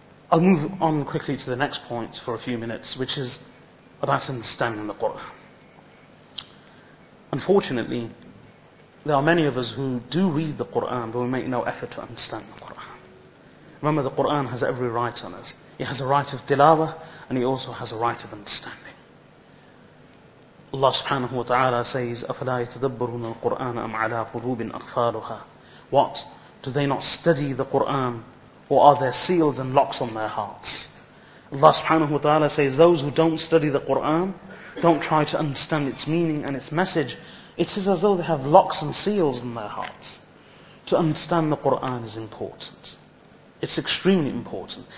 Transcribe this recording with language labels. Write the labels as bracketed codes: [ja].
[en] I'll move on quickly to the next point for a few minutes, which is about understanding the Qur'an. Unfortunately, there are many of us who do read the Qur'an, but we make no effort to understand the Qur'an. Remember, the Qur'an has every right on us. It has a right of tilawah, and it also has a right of understanding. Allah subhanahu wa ta'ala says, [ar] أَفَلَا يَتَدَبَّرُونَ الْقُرْآنَ أَمْ عَلَىٰ قُلُوبٍ أَقْفَالُهَا. [en] What? Do they not study the Qur'an? Or are there seals and locks on their hearts? Allah subhanahu wa ta'ala says, those who don't study the Qur'an, don't try to understand its meaning and its message, it is as though they have locks and seals in their hearts. To understand the Qur'an is important. It's extremely important.